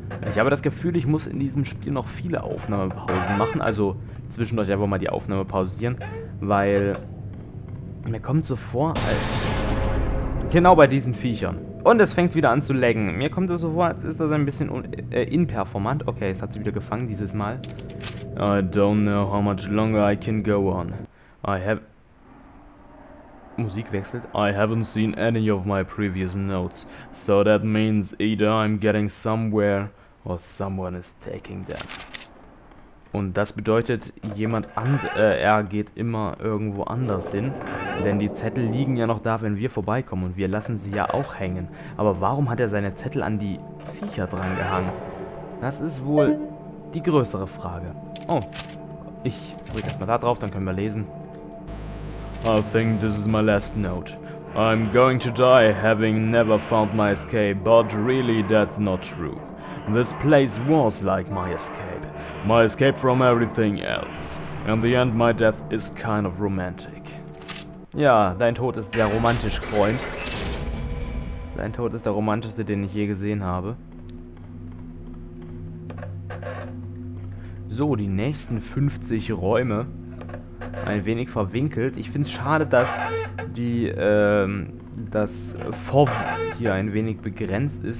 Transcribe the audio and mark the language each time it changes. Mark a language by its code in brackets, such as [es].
[de] Ich habe das Gefühl, ich muss in diesem Spiel noch viele Aufnahmepausen machen. Also zwischendurch einfach mal die Aufnahme pausieren. Weil mir kommt so vor, als... Genau bei diesen Viechern. Und es fängt wieder an zu laggen. Mir kommt es so vor, als ist das ein bisschen inperformant. Okay, es hat sie wieder gefangen dieses Mal. [en] I don't know how much longer I can go on. [de] Musik wechselt. [en] I haven't seen any of my previous notes. So that means either I'm getting somewhere or someone is taking them. [de] Und das bedeutet, er geht immer irgendwo anders hin. Denn die Zettel liegen ja noch da, wenn wir vorbeikommen. Und wir lassen sie ja auch hängen. Aber warum hat er seine Zettel an die Viecher dran gehangen? Das ist wohl die größere Frage. Oh, ich drück erstmal da drauf, dann können wir lesen. [en] I think this is my last note. I'm going to die, having never found my escape. But really, that's not true. This place was like my escape. My escape from everything else. In the end, my death is kind of romantic. [de] Ja, dein Tod ist sehr romantisch, Freund. Dein Tod ist der romantischste, den ich je gesehen habe. So, die nächsten 50 Räume. Ein wenig verwinkelt. Ich finde es schade, dass die, das FOV hier ein wenig begrenzt ist.